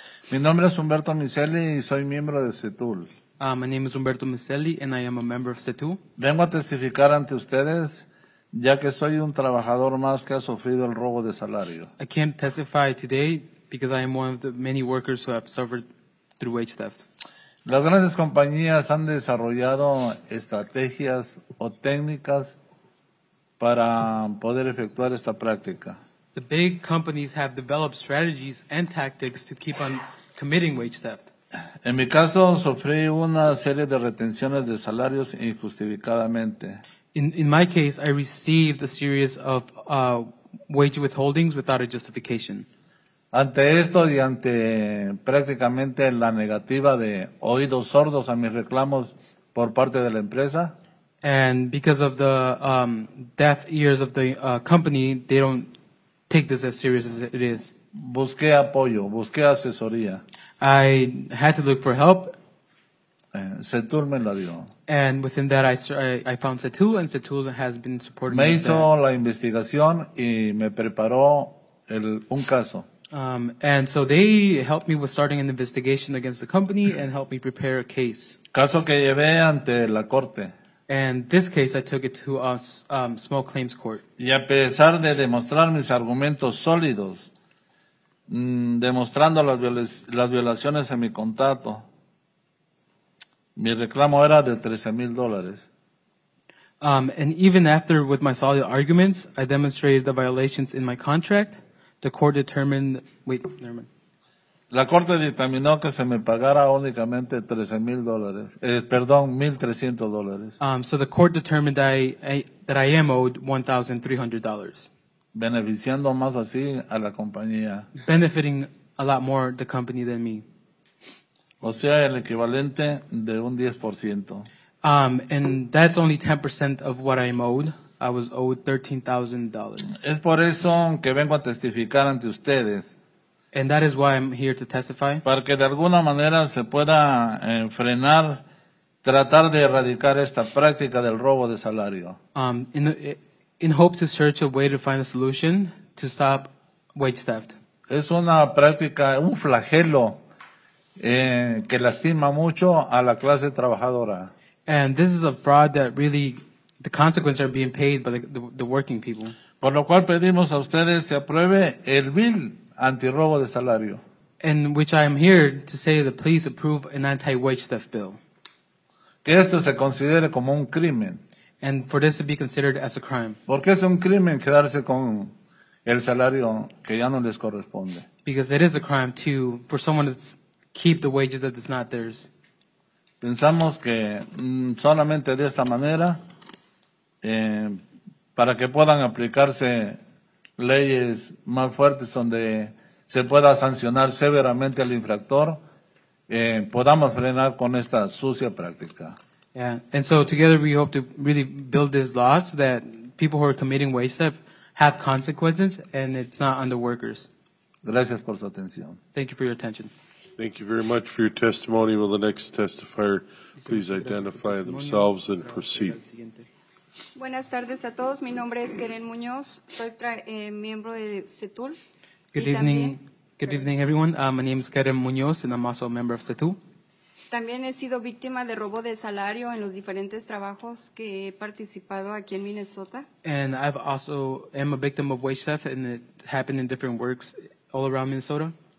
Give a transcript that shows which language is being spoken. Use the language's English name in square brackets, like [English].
[Spanish] Mi nombre es Humberto Miseli y soy miembro de CETUL. [English] My name is Humberto Miseli and I am a member of CETUL. [Spanish] Vengo a testificar ante ustedes, ya que soy un trabajador más que ha sufrido el robo de salario. [English] I can't testify today because I am one of the many workers who have suffered through wage theft. [Spanish] Las grandes compañías han desarrollado estrategias o técnicas para poder efectuar esta práctica. [English] The big companies have developed strategies and tactics to keep on committing wage theft. [Spanish] En mi caso, sufrí una serie de retenciones de salarios injustificadamente. [English] In my case, I received a series of wage withholdings without a justification. [Spanish] Ante esto y ante prácticamente la negativa de oídos sordos a mis reclamos por parte de la empresa. [English] And because of the deaf ears of the company, they don't take this as serious as it is. [Spanish] Busqué apoyo, busqué asesoría. [English] I had to look for help. [Spanish] Setul me la dio. [English] And within that, I found Setul, and Setul has been supporting me. [Spanish] Me hizo [English] that. [Spanish] La investigación y me preparó un caso. [English] And so they helped me with starting an investigation against the company and helped me prepare a case. [Spanish] Caso que llevé ante la corte. [English] And this case, I took it to a small claims court. [Spanish] Y a pesar de demostrar mis argumentos sólidos, demostrando las violaciones en mi contrato, mi reclamo era de $13,000. [English] And even after, with my solid arguments, I demonstrated the violations in my contract, the court determined... Wait, never mind. [Spanish] La corte dictaminó que se me pagara únicamente $13,000. Perdón, $1,300. [English] So the court determined that I am owed $1,300. [Spanish] Beneficiando más así a la compañía. [English] Benefiting a lot more the company than me. [Spanish] O sea, el equivalente de un 10%. [English] And that's only 10% of what I'm owed. I was owed $13,000. [Spanish] Es por eso que vengo a testificar ante ustedes. [English] And that is why I'm here to testify. [Spanish] Para que de alguna manera se pueda frenar, tratar de erradicar esta práctica del robo de salario. [English] In hope to search a way to find a solution to stop wage theft. [Spanish] Es una práctica, un flagelo que lastima mucho a la clase trabajadora. [English] And this is a fraud that really, the consequences are being paid by the working people. [Spanish] Por lo cual pedimos a ustedes se apruebe el bill antirrobo de salario. [English] In which I am here to say that please approve an anti-wage theft bill. [Spanish] Que esto se considere como un crimen. [English] And for this to be considered as a crime. [Spanish] Porque es un crimen quedarse con el salario que ya no les corresponde. [English] Because it is a crime to, for someone to keep the wages that is not theirs. [Spanish] Pensamos que solamente de esta manera, para que puedan aplicarse leyes más fuertes donde se pueda sancionar severamente al infractor, podamos frenar con esta sucia práctica. [English] Yeah, and so together we hope to really build this law so that people who are committing wage theft have consequences and it's not on the workers. [Spanish] Gracias por su atención. [English] Thank you for your attention. Thank you very much for your testimony. Will the next testifier please identify themselves and proceed? [Spanish] Buenas tardes a todos. Mi nombre es Keren Muñoz. Soy miembro de CETUL. [English] Good evening, everyone. My name is Keren Muñoz and I'm also a member of CETUL. [Spanish] También he sido víctima de robo de salario en los diferentes trabajos que he participado aquí en Minnesota. [English] And I've also am a victim of wage theft and it happened in different works all around Minnesota.